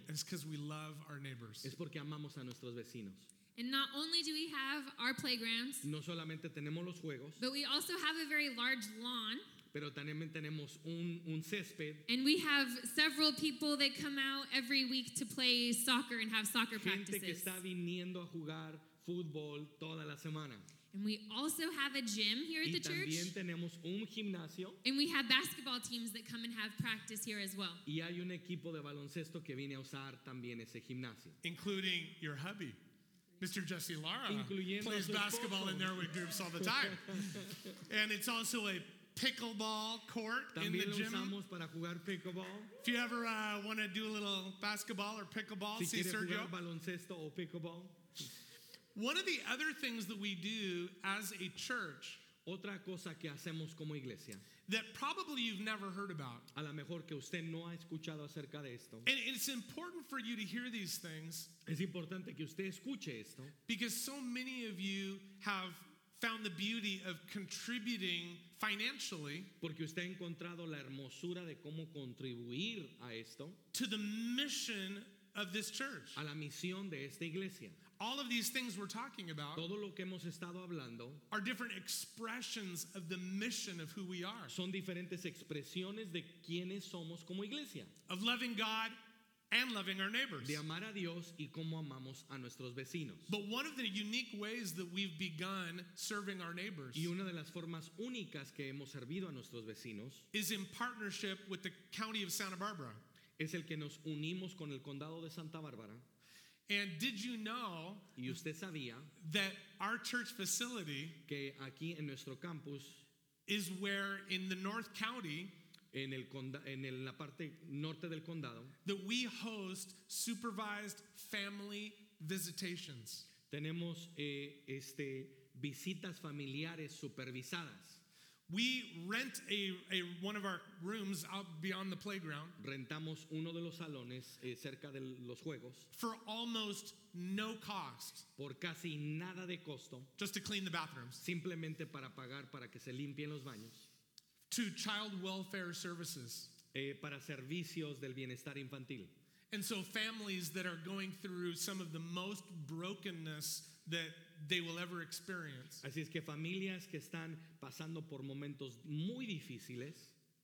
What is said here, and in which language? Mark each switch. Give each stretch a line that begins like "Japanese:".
English: It's because we love our neighbors.
Spanish: Es porque amamos a nuestros vecinos.
English: And not only do we have our playgrounds,
Spanish: no solamente tenemos los juegos,
English: but we also have a very large lawn.
Spanish: Pero también tenemos un césped.
English: And we have several people that come out every week to play soccer and have soccer
Spanish: gente Gente que está viniendo a jugar fútbol toda la semana.
English: And we also have a gym here at the church.
Spanish: Y también tenemos un gimnasio.
English: And we have basketball teams that come and have practice here as well.
Spanish: Y hay un equipo de baloncesto que viene a usar también ese gimnasio.
English: Including your hubby, Mr. Jesse Lara, plays basketball in there with groups all the time. And it's also a pickleball court
Spanish: también
English: in the gym.
Spanish: Usamos para jugar pickleball.
English: If you ever want to do a little basketball or pickleball,
Spanish: si
English: see Sergio.
Spanish: Jugar baloncesto o pickleball.
English: One of the other things that we do as a church,
Spanish: otra cosa que hacemos como iglesia,
English: that probably you've never heard about,
Spanish: a lo mejor que usted no ha escuchado acerca de esto,
English: and it's important for you to hear these things,
Spanish: es importante que usted escuche esto,
English: because so many of you have found the beauty of contributing financially,
Spanish: porque usted ha encontrado la hermosura de cómo contribuir a esto,
English: to the mission of this church,
Spanish: a la misión de esta iglesia.
English: All of these things we're talking about,
Spanish: todo lo que hemos estado hablando,
English: are different expressions of the mission of who we are.
Spanish: Son diferentes expresiones de quiénes somos como iglesia.
English: Of loving God and loving our neighbors.
Spanish: De amar a Dios y cómo amamos a nuestros vecinos.
English: But one of the unique ways that we've begun serving our neighbors,
Spanish: y una de las formas únicas que hemos servido a nuestros vecinos,
English: is in partnership with the county of Santa Barbara.
Spanish: Es el que nos unimos con el condado de Santa Bárbara.
English: And did you know,
Spanish: ¿y usted sabía,
English: that our church facility,
Spanish: que aquí en nuestro campus,
English: is where in the North County,
Spanish: en la parte norte del condado,
English: that we host supervised family visitations.
Spanish: Tenemos visitas familiares supervisadas.
English: We rent one of our rooms out beyond the playground.
Spanish: Rentamos uno de los salones cerca de los juegos.
English: For almost no cost.
Spanish: Por casi nada de costo.
English: Just to clean the bathrooms.
Spanish: Simplemente para pagar para que se limpien los baños.
English: To child welfare services.
Spanish: Para servicios del bienestar infantil.
English: And so families that are going through some of the most brokenness that they will ever experience.
Spanish: Así es que familias que están pasando por momentos muy difíciles,